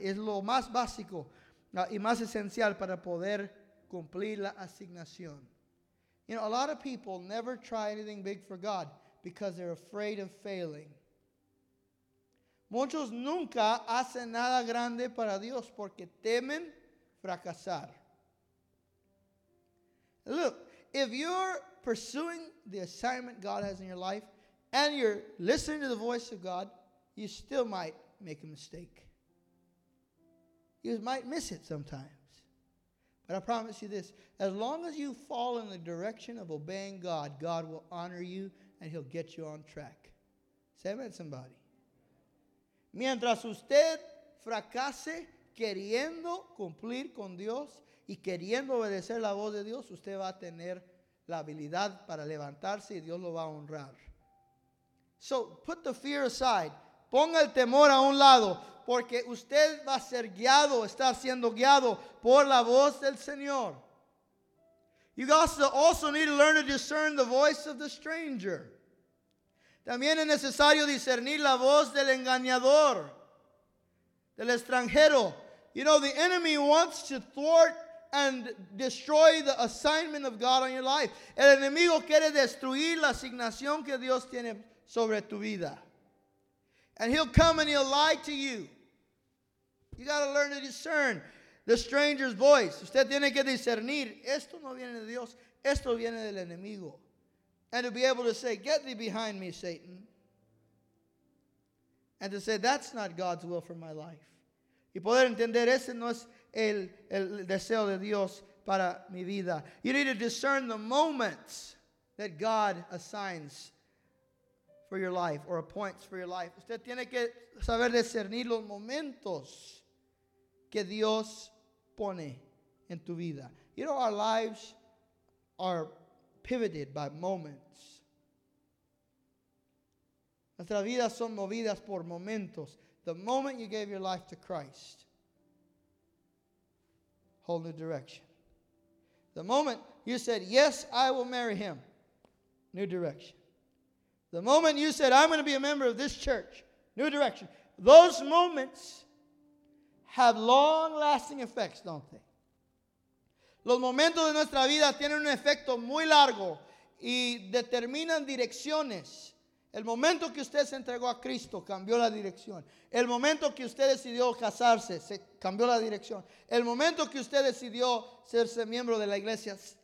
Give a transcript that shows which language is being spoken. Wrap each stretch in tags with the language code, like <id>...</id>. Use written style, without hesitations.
<es>Es lo más básico y más esencial para poder cumplir la asignación.</es> <en>You know, a lot of people never try anything big for God because they're afraid of failing.</en> <es>Muchos nunca hacen nada grande para Dios porque temen fracasar.</es> <en>Look, if you're pursuing the assignment God has in your life and you're listening to the voice of God, you still might make a mistake. You might miss it sometimes. But I promise you this, as long as you fall in the direction of obeying God, God will honor you and He'll get you on track. Say amen, somebody.</en> <es>Mientras usted fracase queriendo cumplir con Dios y queriendo obedecer la voz de Dios, usted va a tener la habilidad para levantarse y Dios lo va a honrar.</es> <en>So put the fear aside.</en> <es>Ponga el temor a un lado, porque usted va a ser guiado, está siendo guiado por la voz del Señor.</es> <en>You also need to learn to discern the voice of the stranger.</en> <es>También es necesario discernir la voz del engañador, del extranjero.</es> <en>You know, the enemy wants to thwart and destroy the assignment of God on your life.</en> <es>El enemigo quiere destruir la asignación que Dios tiene sobre tu vida.</es> <en>And he'll come and he'll lie to you. You got to learn to discern the stranger's voice.</en> <es>Usted tiene que discernir, esto no viene de Dios, esto viene del enemigo.</es> <en>And to be able to say, get thee behind me, Satan. And to say, that's not God's will for my life.</en> <es>Y poder entender, ese no es el deseo de Dios para mi vida.</es> <en>You need to discern the moments that God assigns for your life or appoints for your life.</en> <es>Usted tiene que saber discernir los momentos que Dios pone en tu vida.</es> <en>You know, our lives are pivoted by moments.</en> <es>Nuestras vidas son movidas por momentos.</es> <en>The moment you gave your life to Christ, whole new direction. The moment you said, yes, I will marry him, new direction. The moment you said, I'm going to be a member of this church, new direction. Those moments have long-lasting effects, don't they?</en> <es>Los momentos de nuestra vida tienen un efecto muy largo y determinan direcciones. El momento que usted se entregó a Cristo cambió la dirección. El momento que usted decidió casarse se cambió la dirección. El momento que usted decidió serse miembro de la iglesia.</es>